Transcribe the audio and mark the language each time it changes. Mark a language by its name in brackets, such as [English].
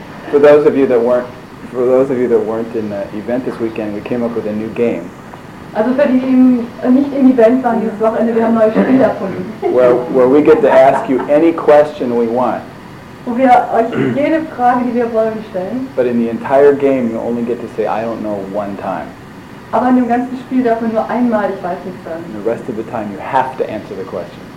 [English] For those of you that weren't in the event this weekend, we came up with a new game. [German] Also für die, die nicht im Event waren dieses Wochenende, wir haben neue Spiele erfunden. [English] Where we get to ask you any question we want. [German] Wo wir euch jede Frage, die wir wollen, stellen. [English] But in the entire game, you only get to say I don't know one time. [German] Aber in dem ganzen Spiel darf man nur einmal ich weiß nicht sagen. [English] And the rest of the time, you have to answer the question.